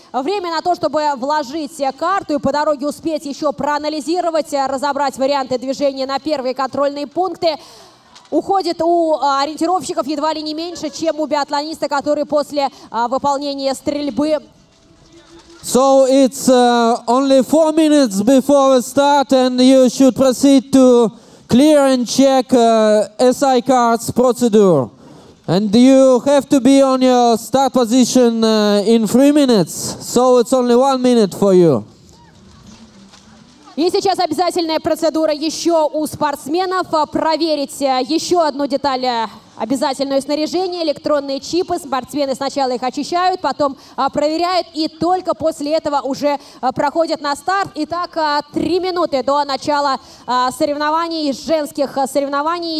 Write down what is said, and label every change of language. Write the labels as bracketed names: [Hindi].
[Russian] Время на то, чтобы вложить карту и по дороге успеть еще проанализировать, разобрать варианты движения на первые контрольные пункты, уходит у ориентировщиков едва ли не меньше, чем у биатлониста, который после выполнения стрельбы. [English] So it's only 4 minutes before the start, and you should proceed to clear and check SI cards procedure. And you have to be on your start position in 3 minutes, so it's only 1 minute for you. [Russian] И сейчас обязательная процедура еще у спортсменов. Проверить еще одну деталь, обязательное снаряжение, электронные чипы. Спортсмены сначала их очищают, потом проверяют и только после этого уже проходят на старт. Итак, 3 минуты до начала соревнований, женских соревнований.